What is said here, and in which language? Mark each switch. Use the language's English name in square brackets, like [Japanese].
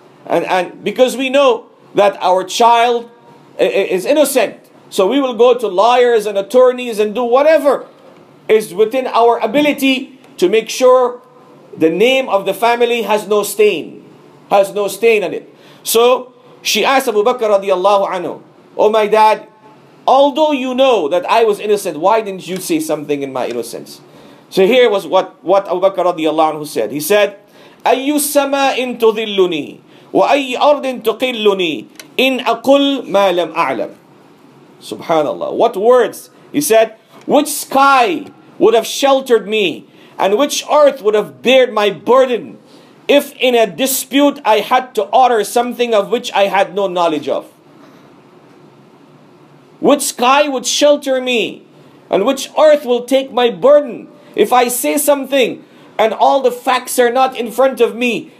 [English] And because we know that our child is innocent, so we will go to lawyers and attorneys and do whatever is within our ability to make sure the name of the family has no stain on it. So she asked Abu Bakr radiallahu anhu, oh my dad, although you know that I was innocent, why didn't you say something in my innocence? So here was what Abu Bakr radiallahu anhu said. He said, [Arabic] أَيُّ سَمَاءٍ تُذِلُّنِي وَأَيِّ أَرْضٍ تُقِلُّنِي إِنْ أَقُلْ مَا لَمْ أَعْلَمْ. [English] Subhanallah. What words? He said, which sky would have sheltered me and which earth would have bared my burden if in a dispute I had to utter something of which I had no knowledge of? Which sky would shelter me and which earth will take my burden if I say something and all the facts are not in front of me?